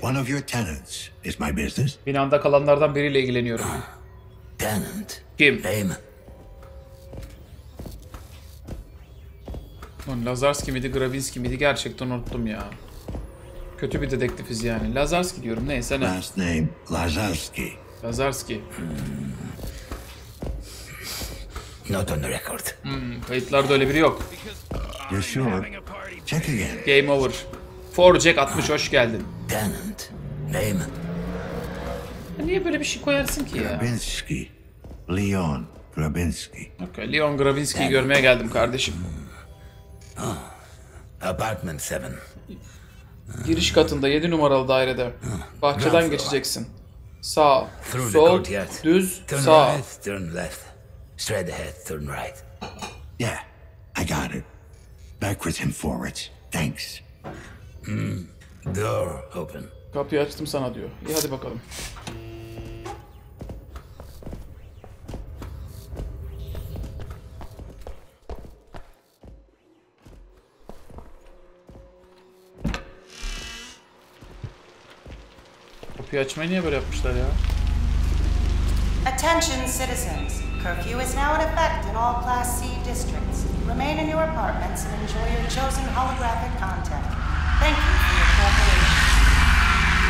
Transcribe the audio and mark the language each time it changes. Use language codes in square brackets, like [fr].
[en] One of your tenants is my business. [tr] Binanda kalanlardan biriyle ilgileniyorum. [en] Tenant. [tr] Kim? Layman. Lan Lazarski miydi, Gravinski miydi? Gerçekten unuttum ya. Kötü bir dedektifiz yani. Lazarski diyorum. Neyse ne. [en] Last name Lazarski. Lazarski. Not on the record. [tr] Kayıtlarda öyle biri yok. [en] You're sure? Check again. Game over. [tr] 4Jack 60 hoş geldin. [en] Tenant. Name. [tr] Niye böyle bir şey koyarsın ki ya? [en] Grabinski. Leon Grabinski. [tr] Okay, Leon Grabinski'yi görmeye geldim kardeşim. [en] Oh. Apartment 7. [tr] Giriş katında 7 numaralı dairede. Bahçeden geçeceksin. Sağ. [en] Through [tr] sol. Düz. [en] Turn [tr] sağ. [en] Right, turn left. Straight ahead, turn right. Yeah, I got it. Backwards and forwards. Thanks. Door open. [tr] Kapıyı açtım sana diyor. İyi hadi bakalım. Kapıyı açmayı niye böyle yapmışlar ya? [en] Attention citizens. Curfew is now in effect in all Class C districts. Remain in your apartments and enjoy your chosen holographic content. Thank you for your cooperation.